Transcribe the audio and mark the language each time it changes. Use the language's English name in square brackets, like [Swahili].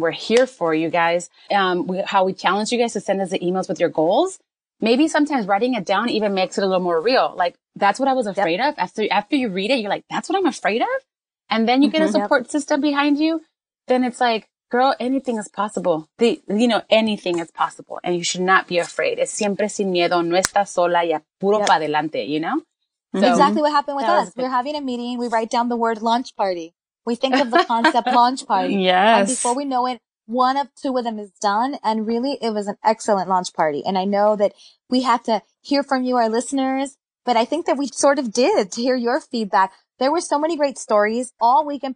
[English] We're here for you guys. We challenge you guys to send us the emails with your goals. Maybe sometimes writing it down even makes it a little more real. Like, that's what I was afraid of. After you read it, you're like, that's what I'm afraid of? And then you get a support system behind you, then it's like, girl, anything is possible. Anything is possible. And you should not be afraid. [Spanish] Es siempre sin miedo, no estás sola, ya puro para adelante, [English] you know? So, exactly what happened with us. We're having a meeting. We write down the word launch party. We think of the concept launch party. Yes. And before we know it, one of two of them is done. And really, it was an excellent launch party. And I know that we have to hear from you, our listeners. But I think that we sort of did to hear your feedback. There were so many great stories all weekend.